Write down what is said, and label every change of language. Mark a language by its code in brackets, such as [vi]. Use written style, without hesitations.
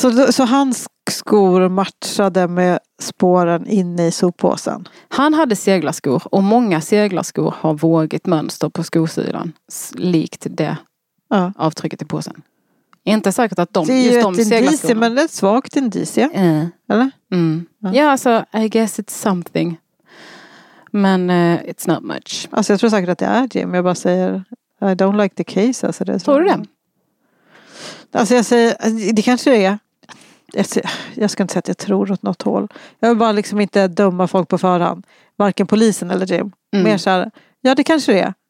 [sv] Så hans skor matchade med spåren inne i soppåsen? Han hade seglarskor, och många seglarskor har vågigt mönster på skosidan likt det avtrycket i påsen. Inte säkert att de, just de seglarskorna... Det är ju ett indicie, men det är ett svagt indicie. Eller? Mm. Ja, alltså, [en] I guess it's something. [sv] Men [en] it's not much. [sv] Alltså, jag tror säkert att det är Jim. Jag bara säger, [en] I don't like the case. [sv] Alltså, det tror du det? Alltså jag säger, det kanske det är. Jag ska inte säga att jag tror åt något håll. Jag vill bara liksom inte döma folk på förhand. Varken polisen eller Jim. Mer så här, ja det kanske det är.